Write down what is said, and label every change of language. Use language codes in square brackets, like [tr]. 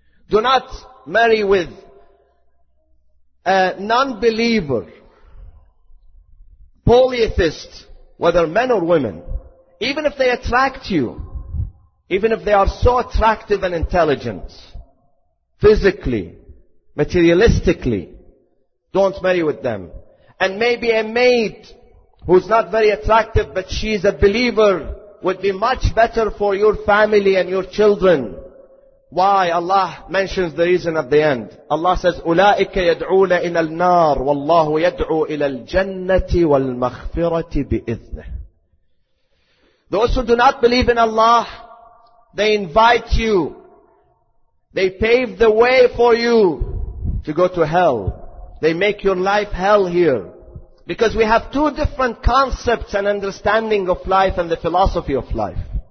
[en] Do not marry with a non-believer, polytheist, whether men or women, even if they attract you, even if they are so attractive and intelligent, physically, materialistically, don't marry with them. And maybe a maid who's not very attractive but she's a believer would be much better for your family and your children. Why? Allah mentions the reason at the end. Allah says, [ar] أُولَٰئِكَ يَدْعُونَ إِلَى النَّارِ وَاللَّهُ يَدْعُو إِلَى الْجَنَّةِ وَالْمَغْفِرَةِ بِإِذْنِهِ. [en] Those who do not believe in Allah, they invite you. They pave the way for you to go to hell. They make your life hell here. Because we have two different concepts and understanding of life and the philosophy of life.